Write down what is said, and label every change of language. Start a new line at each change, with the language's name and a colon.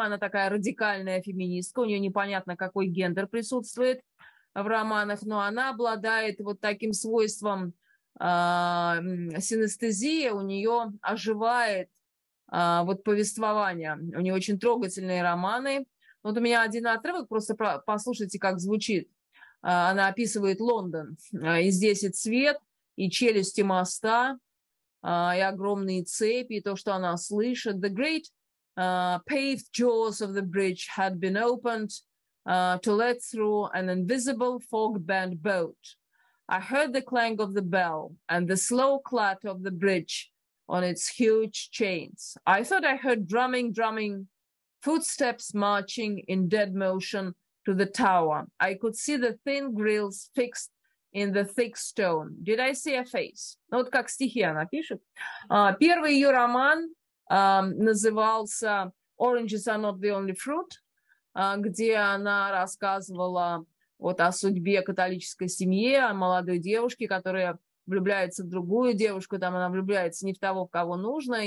Russian: Она такая радикальная феминистка, у нее непонятно, какой гендер присутствует в романах, но она обладает вот таким свойством синестезии, у нее оживает вот повествование. У нее очень трогательные романы. Вот у меня один отрывок, просто послушайте, как звучит. Она описывает Лондон. И здесь и цвет, и челюсти моста, и огромные цепи, и то, что она слышит.
English: «The great paved jaws of the bridge had been opened to let through an invisible fog-bound boat. I heard the clang of the bell and the slow clatter of the bridge on its huge chains. I thought I heard drumming, footsteps marching in dead motion to the tower. I could see the thin grills fixed in the thick stone. Did I see a face?
Russian: Ну, вот как стихи она пишет. Первый ее роман назывался «Oranges are not the only fruit», где она рассказывала вот о судьбе католической семьи, о молодой девушке, которая влюбляется в другую девушку, там она влюбляется не в того, в кого нужно.